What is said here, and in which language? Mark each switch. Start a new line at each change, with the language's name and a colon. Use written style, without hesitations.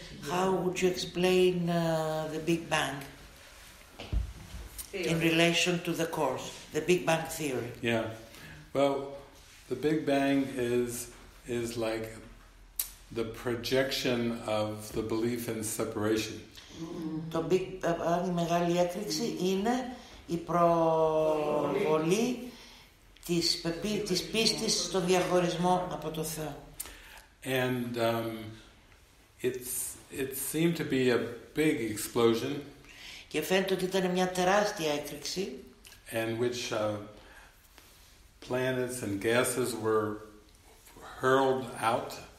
English: How would you explain the Big Bang? In relation to the course, the Big Bang theory. Yeah. Well, the Big Bang is like the projection of the belief in separation.
Greek: Το Big Bang, η μεγάλη έκρηξη, είναι η προβολή της πίστης στο διαχωρισμό από το Θεό.
English: And it seemed to be a big explosion.
Greek: Και φαίνεται ότι ήταν μια τεράστια έκρηξη.
English: And which planets and gases were hurled out.